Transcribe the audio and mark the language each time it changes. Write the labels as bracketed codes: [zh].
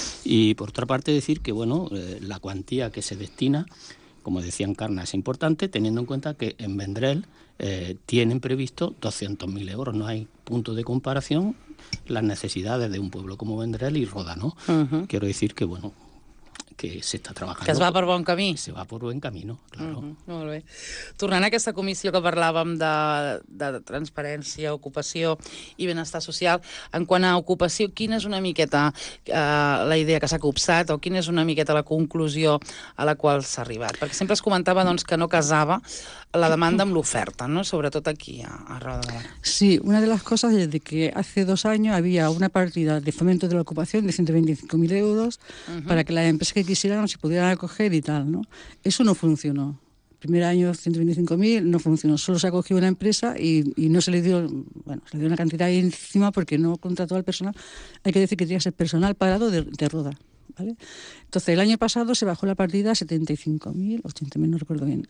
[es] Y por otra parte decir que, bueno, la cuantía que se destina, como decía Encarna, es importante, teniendo en cuenta que en Vendrell tienen previsto 200.000 euros. No hay punto de comparación las necesidades de un pueblo como Vendrell y Roda, ¿no? Quiero decir que, bueno, que se está trabajando. [ca] Que es va per bon camí. [es] Se va por buen camino, claro. [ca] Molt bé. Tornant a aquesta comissió que parlàvem de transparència, ocupació i benestar social, en quant a ocupació, quina és una miqueta la idea que s'ha copsat o quina és una miqueta la conclusió a la qual s'ha arribat? Perquè sempre es comentava doncs, que no casava la demanda amb l'oferta, no? Sobretot aquí, a Roda de Barà. Sí, una de les coses és que hace 2 anys havia una partida de fomento de l'ocupació de 125.000 euros per a que [es] la empresa que quisieran, si pudieran acoger y tal, ¿no? Eso no funcionó. Primer año 125.000, no funcionó. Solo se acogió una empresa y no se le dio, bueno, se le dio una cantidad ahí encima porque no contrató al personal. Hay que decir que tenía que ser personal parado de Roda, ¿vale? Entonces, el año pasado se bajó la partida a 75.000, 80.000, no recuerdo bien.